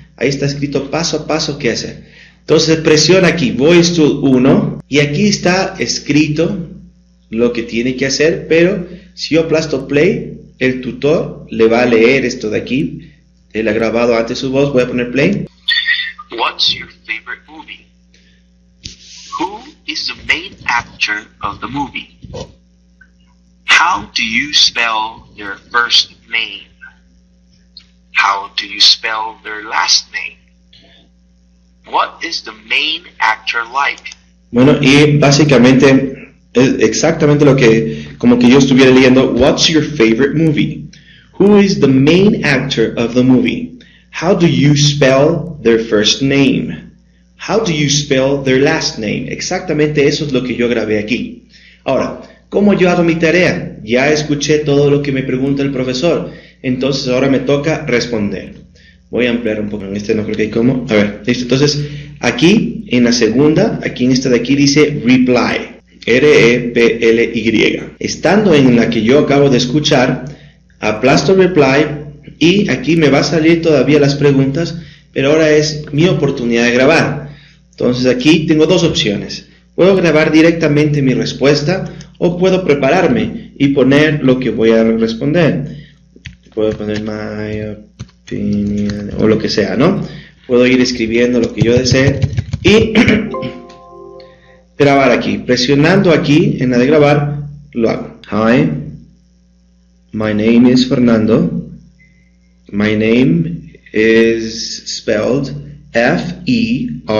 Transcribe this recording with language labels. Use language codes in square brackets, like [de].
[es] Ahí está escrito paso a paso qué hacer. Entonces presiona aquí, Voice Tool 1, y aquí está escrito lo que tiene que hacer, pero si yo aplasto play, el tutor le va a leer esto de aquí. Él ha grabado antes su voz, voy a poner play. [en] What's your favorite movie? Who is the main actor of the movie? How do you spell their first name? How do you spell their last name? What is the main actor like? [es] Bueno, y básicamente es exactamente lo que, como que yo estuviera leyendo, [en] What's your favorite movie? Who is the main actor of the movie? How do you spell their first name? How do you spell their last name? [es] Exactamente eso es lo que yo grabé aquí. Ahora, ¿cómo yo hago mi tarea? Ya escuché todo lo que me pregunta el profesor. Entonces ahora me toca responder. Voy a ampliar un poco en este, no creo que hay cómo. A ver, listo. Entonces, aquí, en la segunda, aquí en esta de aquí dice reply. R-E-P-L-Y. Estando en la que yo acabo de escuchar, aplasto reply y aquí me va a salir todavía las preguntas, pero ahora es mi oportunidad de grabar. Entonces aquí tengo dos opciones. Puedo grabar directamente mi respuesta o puedo prepararme y poner lo que voy a responder. Puedo poner [en] my opinion [es] o lo que sea, ¿no? Puedo ir escribiendo lo que yo desee y grabar aquí. Presionando aquí en la de grabar, lo hago. [en] Hi, my name is Fernando. My name is spelled F-E-R-N-A-N-D-O.